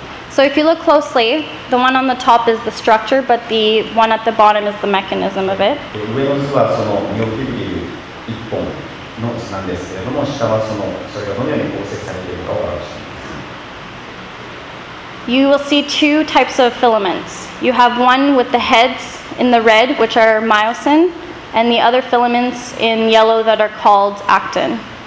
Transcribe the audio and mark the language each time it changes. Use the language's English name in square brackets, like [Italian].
[English] So if you look closely, the one on the top is the structure, but the one at the bottom is the mechanism of it. [Japanese] 上の図はそのミオフィブリル一本の図なんですけれども、下はそれがどのように構成されているかを表しています。 [English] You will see two types of filaments. You have one with the heads in the red, which are myosin. And the other filaments in yellow that are called actin.